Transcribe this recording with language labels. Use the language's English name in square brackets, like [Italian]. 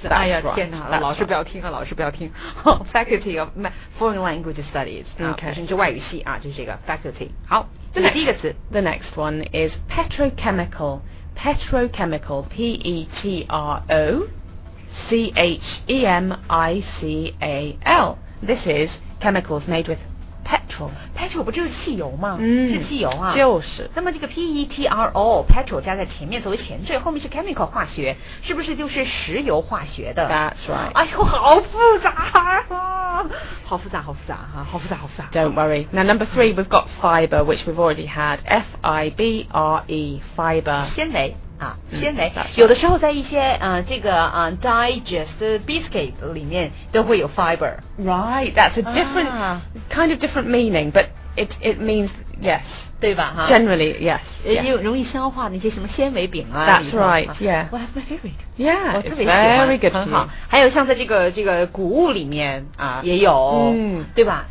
[Chinese] 哎呀，天哪！老师不要听啊！老师不要听。 [English] Faculty of foreign language studies. OK， [Chinese] 就是外语系啊，就是这个 faculty。好，那第一个词 [English] ，the next one is petrochemical. Petrochemical, P-E-T-R-O-C-H-E-M-I-C-A-L. This is chemicals made with petrol. [Chinese] Petrol 不就是汽油吗？是汽油啊。就是。那么这个 P-E-T-R-O, petrol 加在前面作为前缀，后面是 chemical 化学，是不是就是石油化学的 [English] ？That's right. [Chinese] 哎呦，好复杂啊！好复杂，好复杂啊！好复杂，好复杂。 [English] Don't worry. Now number three, we've got fiber, which we've already had. F-I-B-R-E, fiber. [Chinese] 纤维。纤维、 [English] right. [Chinese] 有的时候在一些这个digest biscuit 里面都会有 fiber. [English] Right, that's a different、kind of different meaning, but it means yes. [Chinese] 对吧？哈 [English] ，Generally yes. [Chinese] 也容易消化那些什么纤维饼啊。 [English] That's right. Yeah. Well, that's my favorite. Yeah, it's very good. [Chinese] 很好。还有像在这个谷物里面也有，对吧？